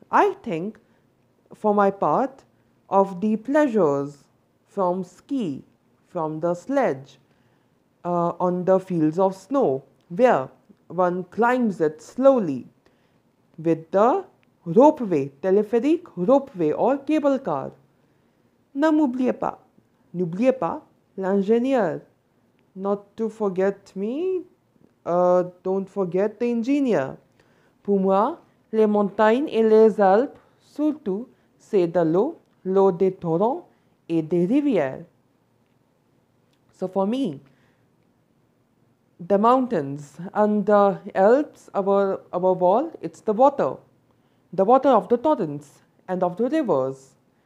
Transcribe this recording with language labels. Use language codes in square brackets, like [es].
[en] I think, for my part, of the pleasures from ski, from the sledge, on the fields of snow, where one climbs it slowly with the ropeway, téléphérique, ropeway, or cable car. [fr] N'oubliez pas, l'ingénieur. [en] Not to forget me, don't forget the engineer. [fr] Pour moi, les montagnes et les Alpes, surtout, c'est de l'eau, l'eau des torrents et des rivières. [en] So for me, the mountains and the Alps, above all, it's the water of the torrents and of the rivers.